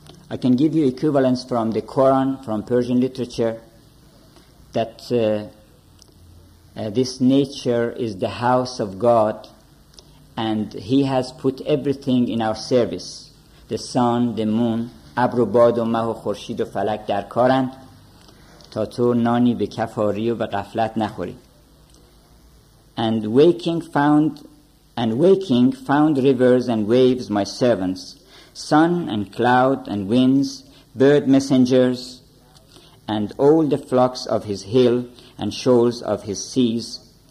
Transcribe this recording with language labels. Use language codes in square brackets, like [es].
[en] I can give you equivalents from the Quran, from Persian literature, that this nature is the house of God, and he has put everything in our service. The sun, the moon, [fa] ابرو باد و مه و خورشید و فلک در کارند تا تو نانی به کفاری و به غفلت نخوری. [en] And waking found rivers and waves my servants, sun and cloud and winds, bird messengers, and all the flocks of his hill and shoals of his seas.